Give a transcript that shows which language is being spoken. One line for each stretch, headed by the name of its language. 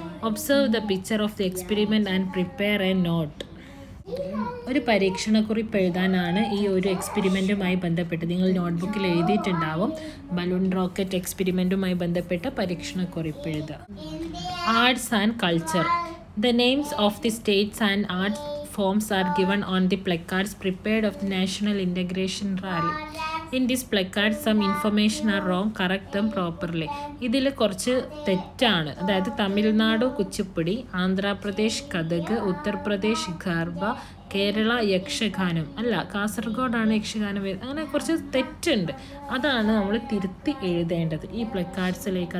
English: Observe the picture of the experiment and prepare a note.
Malayalam: ഒരു പരീക്ഷണക്കുറിപ്പ് എഴുതാനാണ് ഈ ഒരു എക്സ്പെരിമെൻറ്റുമായി ബന്ധപ്പെട്ട്. നിങ്ങൾ നോട്ട്ബുക്കിൽ എഴുതിയിട്ടുണ്ടാവും ബലൂൺ റോക്കറ്റ് എക്സ്പെരിമെൻറ്റുമായി ബന്ധപ്പെട്ട പരീക്ഷണക്കുറിപ്പ് എഴുതുക.
English: Arts and culture. The names of the states and arts forms are given on the placards prepared of the national integration rally. In this placard some information are wrong, correct them properly.
Malayalam: ഇതിലെ കുറച്ച് തെറ്റാണ്, അതായത് തമിഴ്നാട് കുച്ചിപ്പുടി, ആന്ധ്രാപ്രദേശ് കഥക്, ഉത്തർപ്രദേശ് ഗർബ, കേരള യക്ഷഗാനം, അല്ല കാസർഗോഡാണ് യക്ഷഗാനം വരുന്നത്, അങ്ങനെ കുറച്ച് തെറ്റുണ്ട്. അതാണ് നമ്മൾ തിരുത്തി എഴുതേണ്ടത് ഈ പ്ലക്കാർഡ്സിലേക്ക്.